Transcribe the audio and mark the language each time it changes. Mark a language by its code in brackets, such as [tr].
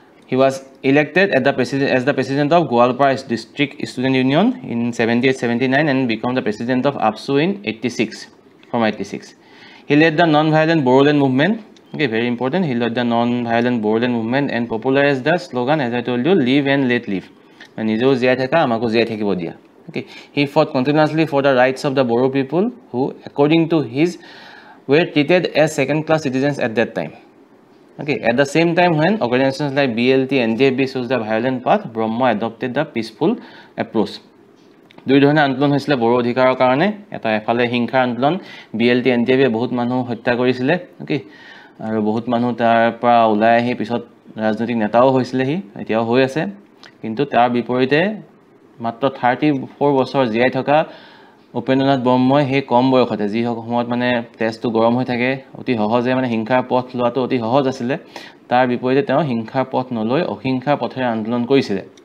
[en] he was elected at the president as the president of Goalpara district student union in 78-79 and become the president of ABSU in 86 from 86 he led the non violent Bodoland movement okay very important he led the non violent Bodoland movement and popularize the slogan as I told you live and let live [as] নিজেও জীয়াই থকা আমাকো জীয়াই থাকিব দিয়া [en] Okay, he fought continuously for the rights of the Boro people, who, according to his, were treated as second-class citizens at that time. Okay, at the same time, when organizations like BLT and NJB chose the violent path, Brahma adopted the peaceful approach. [as] দুই ধৰণে আন্দোলন হৈছিলে বড়ো অধিকাৰৰ কাৰণে এটা এফালে হিংসা আন্দোলন B L T N T এফে বহুত মানুহ হত্যা কৰিছিলে অ'কে আৰু বহুত মানুহ তাৰ পৰা ওলাই আহি পিছত ৰাজনৈতিক নেতাও হৈছিলেহি এতিয়াও হৈ আছে কিন্তু তাৰ বিপৰীতে মাত্ৰ 34 বছৰ জীয়াই থকা উপেন্দ্ৰনাথ ব্ৰহ্মই সেই কম বয়সতে যি সময়ত মানে তেজটো গৰম হৈ থাকে অতি সহজে মানে হিংসাৰ পথ লোৱাটো অতি সহজ আছিলে তাৰ বিপৰীতে তেওঁ হিংসাৰ পথ নলৈ অহিংসাৰ পথেৰে আন্দোলন কৰিছিলে